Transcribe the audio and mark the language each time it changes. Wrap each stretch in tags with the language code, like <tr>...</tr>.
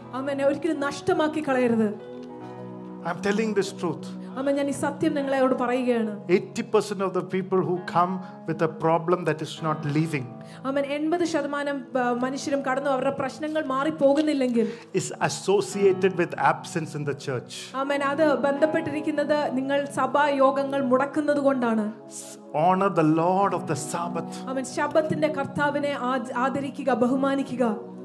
<ml>അമ്മനെ ഒരിക്കലും നഷ്ടമാക്കി കളയരുത്</ml> <en>I'm telling this truth</en> <ml>അമ്മ ഞാൻ ഈ സത്യം നിങ്ങളോട് പറയുകയാണ്</ml> <en>80% of the people who come with a problem that is not leaving</en> <ml>അമ്മ 80% മനുഷ്യരും കടന്നു അവരുടെ പ്രശ്നങ്ങൾ മാറി പോകുന്നില്ലെങ്കിൽ</ml> <en>is associated with absence in the church</en> <ml>അമ്മ അത് ബന്ധപ്പെട്ടിരിക്കുന്നത് നിങ്ങൾ സഭാ യോഗങ്ങൾ മുടക്കുന്നതുകൊണ്ടാണ്</ml> <en>honor the lord of the sabbath</en> <ml>അമ്മ ശബ്ബത്തിന്റെ കർത്താവിനെ ആദരിക്കുക ബഹുമാനിക്കുക</ml>